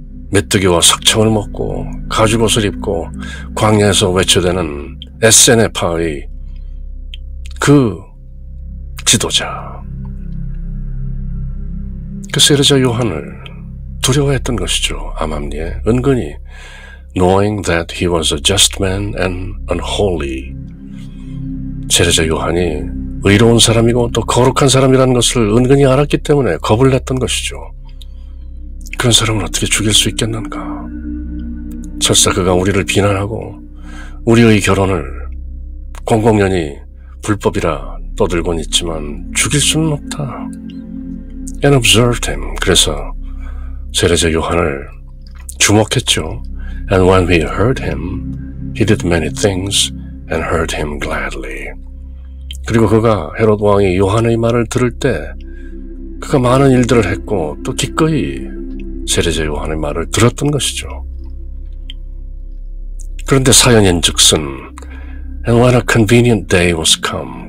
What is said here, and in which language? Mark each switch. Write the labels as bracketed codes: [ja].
[ko] 메뚜기와 석청을 먹고 가죽옷을 입고 광야에서 외쳐대는 에세네파의 그 지도자, 그 세례자 요한을 두려워했던 것이죠. 암암리에 은근히, [en] knowing that he was a just man and unholy. [ko] 세례자 요한이 의로운 사람이고 또 거룩한 사람이라는 것을 은근히 알았기 때문에 겁을 냈던 것이죠. 그런 사람을 어떻게 죽일 수 있겠는가. 설사 그가 우리를 비난하고 우리의 결혼을 공공연히 불법이라 떠들곤 있지만 죽일 수는 없다. [en] And observed him. [ko] 그래서 세례자 요한을 주목했죠. [en] And when we heard him, he did many things and heard him gladly. [ko] 그리고 그가 헤롯 왕이 요한의 말을 들을 때 그가 많은 일들을 했고 또 기꺼이 세례자 요한의 말을 들었던 것이죠. 그런데 사연인 즉슨, [en] And when a convenient day was come.